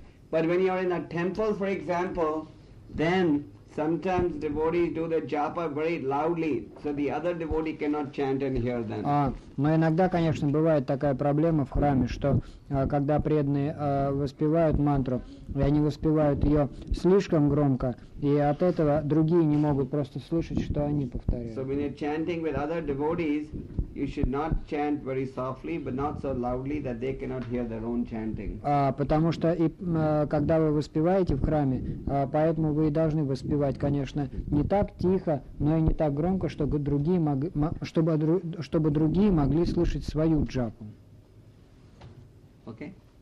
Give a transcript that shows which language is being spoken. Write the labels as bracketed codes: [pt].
[en] But when you are in a temple, for example, then sometimes devotees do the japa very loudly, so the other devotee cannot chant and hear them. [ru] Но иногда, конечно, бывает такая проблема в храме, что когда преданные воспевают мантру, и они воспевают ее слишком громко, и от этого другие не могут просто слышать, что они повторяют. [en] So when you're chanting with other devotees, you should not chant very softly, but not so loudly that they cannot hear their own chanting. [ru] Потому что и когда вы воспеваете в храме, поэтому вы и должны воспевать, конечно, не так тихо, но и не так громко, чтобы другие могли слышать свою джапу. [en] Okay.